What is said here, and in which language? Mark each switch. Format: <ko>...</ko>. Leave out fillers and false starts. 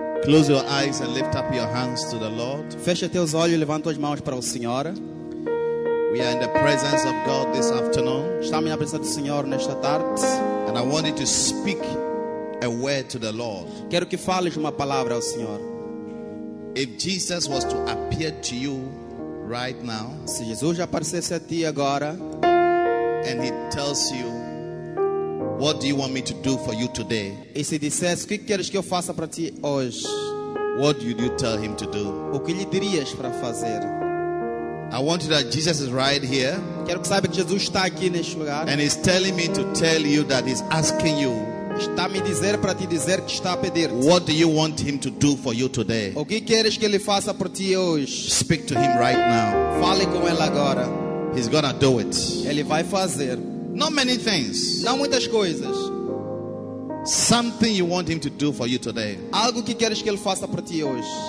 <en>Close your eyes and lift up your hands to the Lord.</en> <pt>Feche teus olhos e levanta as mãos para o Senhor.</pt> <en>We are in the presence of God this afternoon.</en> <pt>Estamos na presença do Senhor nesta tarde.</pt> <en>And I want you to speak a word to the Lord.</en> <pt>Quero que fales uma palavra ao Senhor.</pt> <en>If Jesus was to appear to you right now,</en> <pt>se Jesus aparecesse a ti agora,</pt> <en>and he tells you, what do you want me to do for you today?</en> <pt>E se dissesse, o que queres que eu faça para ti hoje?</pt> <en>What would you tell him to do?</en> <pt>O que lhe dirias para fazer?</pt> <en>I want you to know that Jesus is right here.</en> <pt>Quero que saiba que Jesus está aqui neste lugar.</pt> <en>And he's telling me to tell you that he's asking you.</en> <pt>Está me dizer para te dizer que está a pedir.</pt> <en>What do you want him to do for you today?</en> <pt>O que queres que ele faça por ti hoje?</pt> <en>Speak to him right now.</en> <pt>Fale com ele agora.</pt> <en>He's gonna do it.</en> <pt>Ele vai fazer.</pt> <en>Not many things.</en> <pt>Não muitas coisas.</pt> <en>Something you want him to do for you today.</en> <pt>Algo que queres que ele faça para ti hoje.</pt>